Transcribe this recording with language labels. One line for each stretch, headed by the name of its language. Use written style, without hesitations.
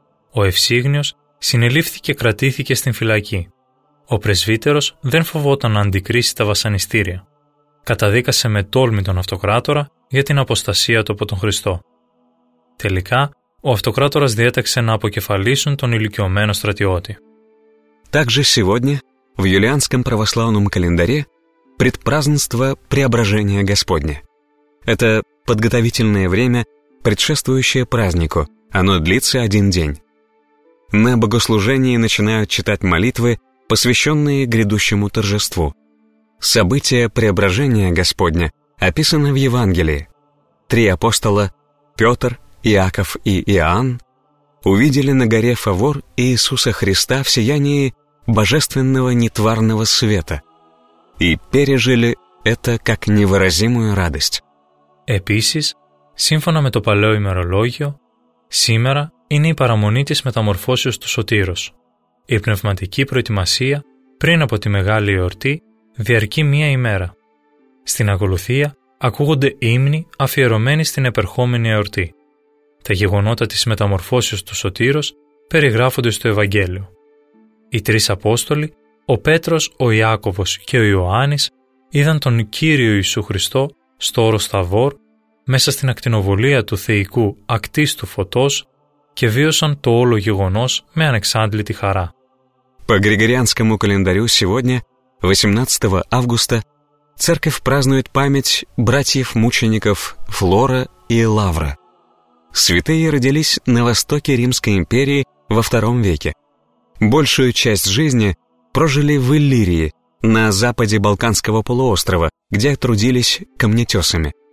Greek: Ο Ευσίγνιος συνελήφθη και κρατήθηκε στην φυλακή. Ο πρεσβύτερος δεν φοβόταν να αντικρίσει τα βασανιστήρια. Καταδίκασε με τόλμη τον αυτοκράτορα για την αποστασία του από τον Χριστό. Τελικά, ο αυτοκράτορας διέταξε να αποκεφαλίσουν τον ηλικιωμένο στρατιώτη.
Russian: Также сегодня в юлианском православном календаре предпразднество Преображения Господня. Это подготовительное время, предшествующее празднику. Оно длится один день. На богослужении начинают читать молитвы, посвященные грядущему торжеству. Событие Преображения Господня описано в Евангелии. Три апостола — Петр, Иаков и Иоанн увидели на горе Фавор Иисуса Христа в сиянии божественного нетварного света и пережили это как невыразимую радость.
Greek: Επίσης, σύμφωνα με το παλαιό ημερολόγιο, σήμερα είναι η παραμονή της μεταμορφώσεως του Σωτήρος. Η πνευματική προετοιμασία πριν από τη μεγάλη εορτή διαρκεί μία ημέρα. Στην ακολουθία ακούγονται ύμνοι αφιερωμένοι στην επερχόμενη εορτή. Τα γεγονότα της μεταμορφώσεως του Σωτήρος περιγράφονται στο Ευαγγέλιο. Οι τρεις Απόστολοι, ο Πέτρος, ο Ιάκωβος και ο Ιωάννης, είδαν τον Κύριο Ιησού Χριστό στο όρο Σταβόρ, μέσα στην ακτινοβολία του θεϊκού ακτίστου φωτός και βίωσαν το όλο γεγονός με ανεξάντλητη χαρά.
Russian: По Григорианскому календарю сегодня, 18 августа, церковь празднует память братьев-мучеников Флора и Лавра. Святые родились на востоке Римской империи во II веке. Большую часть жизни прожили в Иллирии, на западе Балканского полуострова, где трудились камнетесами.